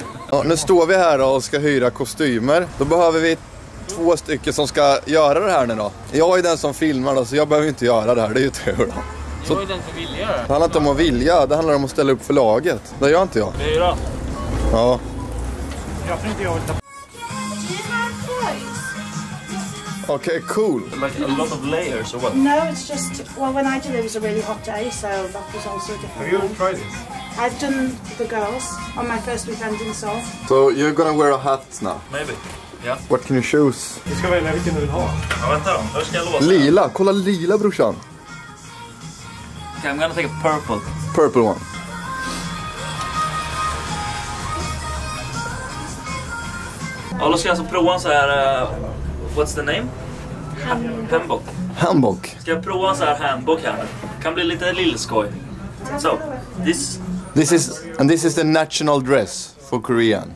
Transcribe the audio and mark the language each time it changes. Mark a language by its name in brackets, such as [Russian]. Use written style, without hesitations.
[Swedish] Ja, nu står vi här och ska hyra kostymer. Då behöver vi två stycken som ska göra det här nu då. Jag är den som filmar då, så jag behöver inte göra det här. Det är ju tur då. Jag är den som vill göra det. Det handlar inte om att vilja, det handlar om att ställa upp för laget. Det gör inte jag. Det är ju då. Ja. Jag tror inte jag vill ta... [English] Okay, cool. Like a lot of layers or what? No, it's just, well, when I did it, it was a really hot day, so that was also different. Have you tried this? I've done the girls on my first weekend in Seoul. So you're gonna wear a hat now? Maybe, yeah. What can you choose? [Swedish] Du ska välja vilken du vill ha. Ja, vänta då. Hur ska jag låsa? Lila, kolla lila, brorsan. [English] Okay, I'm gonna take a purple. Purple one. [Swedish] Ja, då ska jag alltså prova en så här... [English] What's the name? Handbok. [Swedish] Handbok. Ska jag prova en sån här handbok här? Kan bli lite lillskoj. [English] So, this... This is... And this is the national dress for Korean.